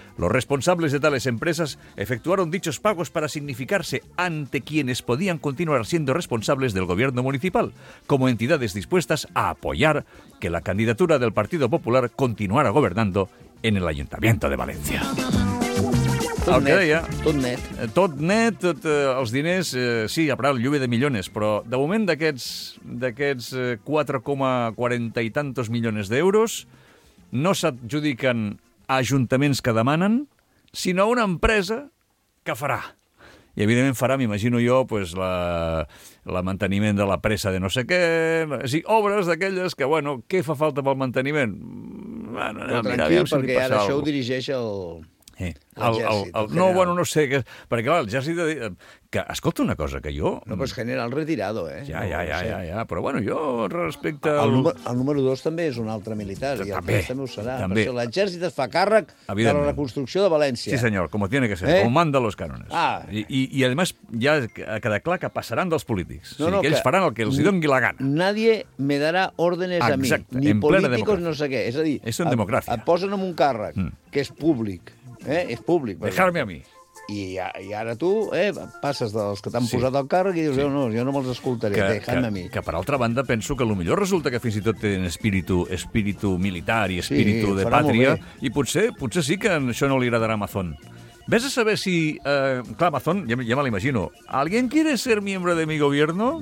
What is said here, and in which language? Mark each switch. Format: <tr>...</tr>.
<es>Los responsables de tales empresas efectuaron dichos pagos para significarse ante quienes podían continuar siendo responsables del gobierno municipal, como entidades dispuestas a apoyar que la candidatura del Partido Popular continuara gobernando en el Ayuntamiento de Valencia.</es> <ca>Tot net, deia, tot net. Tot net, tot, els diners, sí, a parar el</ca> <es>lluvia de millones,</es> <ca>però de moment d'aquests 4,40 i tantos milions d'euros no s'adjudiquen a ajuntaments que demanen, sinó a una empresa que farà. I, evidentment, farà, m'imagino jo, pues, la manteniment de la pressa de no sé què, sí, obres d'aquelles que, bueno, què fa falta pel manteniment? Bueno, però mira, tranquil, si perquè ara això ho dirigeix el... No, bueno, no sé, perquè clar, l'exèrcit... Escolta una cosa, que jo... No, però és general retirado, eh? Ja, però bueno, jo respecte... El número 2 també és un altre militar, i el 3 també ho serà. També. L'exèrcit es fa càrrec de la reconstrucció de València. Sí, senyor,</ca> <es>com tiene que ser, com manda los cánones.</es> <ca>I, a més, ja queda clar que passaran dels polítics. Que ells faran el que els doni la gana.</ca> <es>Nadie me dará órdenes a mi, ni políticos,</es> <ca>no sé què. És a dir, et posen en un càrrec que és públic, és públic.</ca> <es>Dejarme a mi.</es> <ca>I ara tu passes dels que t'han posat al càrrec i dius, oh, no, jo no me'ls escoltaré, deixant-me a mi. Que, per altra banda, penso que potser resulta que fins i tot tenen espíritu militar i espíritu de pàtria, i potser sí que això no li agradarà a Amazon. Ves a saber si... clar, Amazon, ja me l'imagino.</ca> <es>¿Alguien quiere ser miembro de mi gobierno?</es>